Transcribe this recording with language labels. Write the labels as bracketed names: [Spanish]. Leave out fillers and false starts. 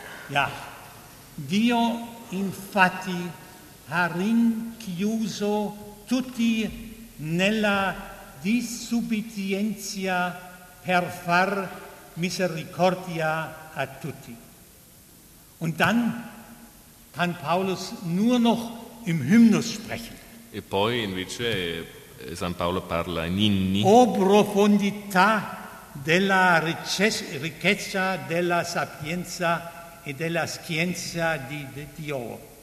[Italian] Ja, Dio infatti ha rinchiuso tutti nella disubbidienza per far misericordia a tutti. [German] Und dann kann Paulus nur noch im Hymnus sprechen. [Italian] E poi invece San Paolo parla in inni. O profondità della ricchezza della sapienza e della scienza di Dio.